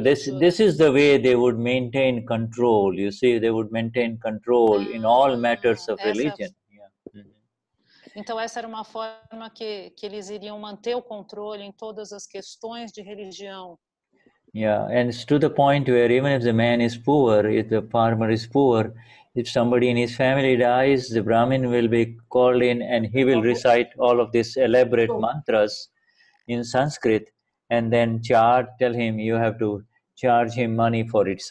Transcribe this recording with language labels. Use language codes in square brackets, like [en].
[en] This is the way they would maintain control. You see, they would maintain control in all matters of religion. [pt] Então, essa era uma forma que eles iriam manter o controle em todas as questões de religião. [en] Yeah, and it's to the point where even if the man is poor, if the farmer is poor, if somebody in his family dies, the Brahmin will be called in and he will recite all of these elaborate mantras in Sanskrit and then tell him you have to charge him money for it.